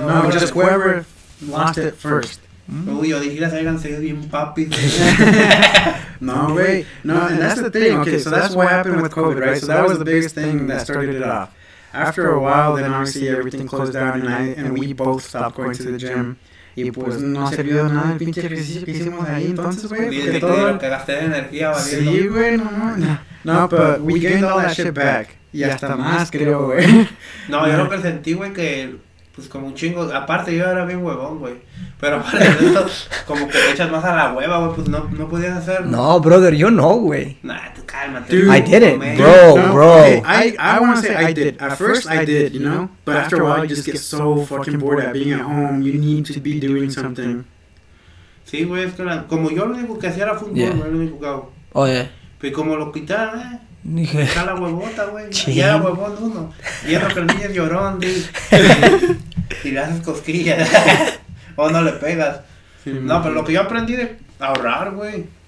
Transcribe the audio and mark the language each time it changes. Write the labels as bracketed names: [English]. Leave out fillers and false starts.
[English] No, no, just whoever lost it first. [Spanish] Uy, yo dije las hayan seguido bien papi. [English] No, wait. No, and that's the thing. Okay, so that's what happened with COVID, right? So that was the biggest thing that started it off. After a while, then obviously everything closed down, and we both stopped going to the gym. [Spanish] Y pues no sirvió de nada el pinche ejercicio que hicimos ahí entonces, güey. Porque todo... Te gasté de energía, valiendo. Sí, güey, no, no. [English] No, but we gained all that shit back. [Spanish] Y hasta más, creo, güey. No, yo lo presentí, güey, que... Pues como un chingo... Aparte, yo era bien huevón, güey. Pero para eso, como que te echas más a la hueva, güey. Pues no podías hacer... No, brother, yo no, güey. Nah, tú cálmate. [English] Dude, I did it, bro, bro. Okay, I want to say I did. At first, I did, you know? But after a while, you just get so fucking bored at being at home. You need to be doing something. [Spanish] Sí, güey, es que la, como yo lo único que hacía era fútbol, güey. Lo único que hago. [English] Oh, yeah. [Spanish] Pero como lo quitaron, ¿eh? Dije, está la huevota, güey. Ya huevón uno. Y es lo que el niño lloró, güey. Y le haces cosquillas. O no le pegas. Sí, no, pero lo que yo aprendí de ahorrar, güey.